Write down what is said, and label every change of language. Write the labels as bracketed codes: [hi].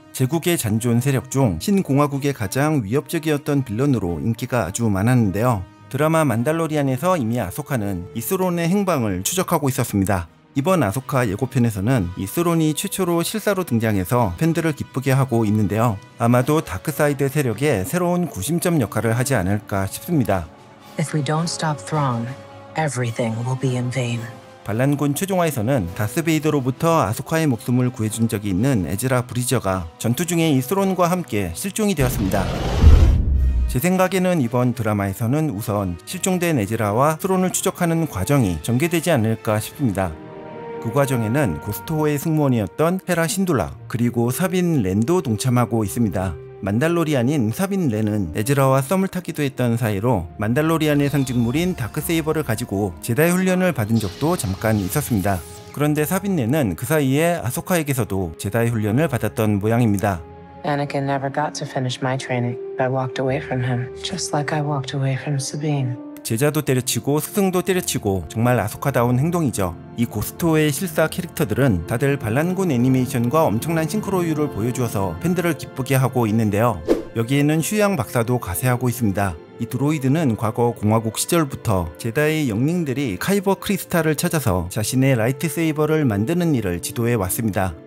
[ko] 제국의 잔존 세력 중 신공화국의 가장 위협적이었던 빌런으로 인기가 아주 많았는데요. 드라마 만달로리안에서 이미 아소카는 이 스론의 행방을 추적하고 있었습니다. 이번 아소카 예고편에서는 이 스론이 최초로 실사로 등장해서 팬들을 기쁘게 하고 있는데요. 아마도 다크사이드 세력의 새로운 구심점 역할을 하지 않을까 싶습니다. [en] If we don't stop Thrawn, everything will be in vain. [ko] 반란군 최종화에서는 다스베이더로부터 아소카의 목숨을 구해준 적이 있는 에즈라 브리저가 전투 중에 이 스론과 함께 실종이 되었습니다. 제 생각에는 이번 드라마에서는 우선 실종된 에즈라와 스론을 추적하는 과정이 전개되지 않을까 싶습니다. 그 과정에는 고스트호의 승무원이었던 헤라 신둘라 그리고 사빈 렌도 동참하고 있습니다. 만달로리안인 사빈 렌은 에즈라와 썸을 타기도 했던 사이로 만달로리안의 상징물인 다크세이버를 가지고 제다이 훈련을 받은 적도 잠깐 있었습니다. 그런데 사빈 렌은 그 사이에 아소카에게서도 제다이 훈련을 받았던 모양입니다. [en] Anakin never got to finish my training. I walked away from him, just like I walked away from Sabine. [ko] 제자도 때려치고 스승도 때려치고 정말 아소카다운 행동이죠. 이 고스트호의 실사 캐릭터들은 다들 반란군 애니메이션과 엄청난 싱크로율을 보여주어서 팬들을 기쁘게 하고 있는데요. 여기에는 슈양 박사도 가세하고 있습니다. 이 드로이드는 과거 공화국 시절부터 제다의 영링들이 카이버 크리스탈을 찾아서 자신의 라이트세이버를 만드는 일을 지도해왔습니다.